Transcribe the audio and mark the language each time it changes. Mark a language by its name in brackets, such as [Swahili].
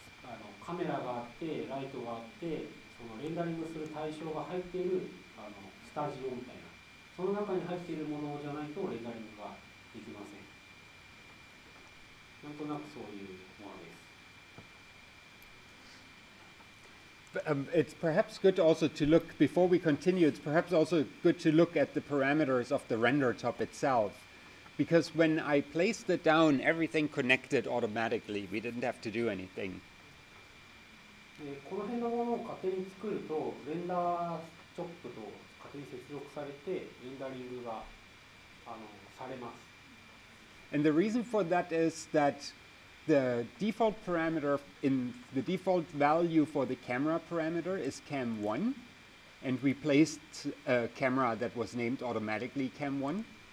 [Japanese] あのカメラがあってライトがあって、そのレンダリングする対象が入っているあのスタジオみたいな、その中に入っているものじゃないとレンダリングができません。なんとなくそういうものです。 [English] It's perhaps good also to look, before we continue, it's perhaps also good to look at the parameters of the render top itself. Because when I placed it down, everything connected automatically. We didn't have to do anything. [Japanese] この辺のものを勝手に作ると、レンダーチョップと勝手に接続されて、レンダリングがあのされます。 [English] And the reason for that is that the default parameter, in the default value for the camera parameter is cam 1, and we placed a camera that was named automatically cam 1.